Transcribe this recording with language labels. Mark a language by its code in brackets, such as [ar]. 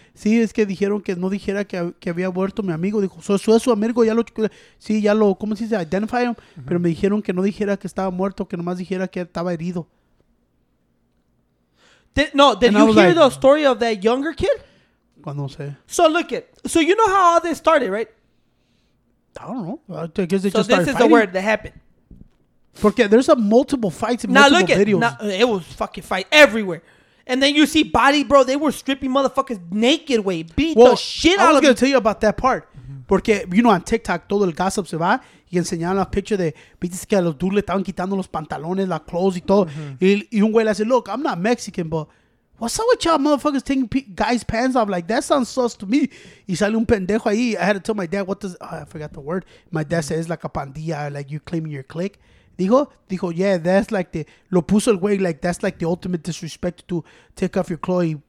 [es] Sí, es que dijeron que no dijera que había muerto mi amigo. Dijo, eso es su amigo, ya lo... Sí, ya lo... ¿Cómo se dice? [en] Identify him. [es] Uh-huh. Pero me dijeron que no dijera que estaba muerto, que nomás dijera que estaba herido. [en] Did you hear the story of that younger kid? [es] Cuando sé. [en] So, look it. So, you know how all this started, right? I don't know. I guess they just started fighting. So, this is the word that happened. Porque there's a multiple fights in multiple videos. It was fucking fight everywhere. And then you see body, bro. They were stripping motherfuckers naked, way. Beat the shit out of them. I was going to tell you about that part. [es] Mm-hmm. Porque, [en] you know, [es] on TikTok, todo el gossip se va. Y enseñaron la picture de, viste que a los dudes le estaban quitando los pantalones, la clothes y todo. [en] Mm-hmm. [es] Y un güey le dice, [en] look, I'm not Mexican, but what's up with y'all motherfuckers taking guys' pants off? Like, that sounds sus to me. [es] Y sale un pendejo ahí. [en] I had to tell my dad, I forgot the word. My dad said, it's like a pandilla, like you claiming your clique. Dijo, yeah, that's like the, [es] lo puso el güey, [en] like, that's like the ultimate disrespect to take off your clothes.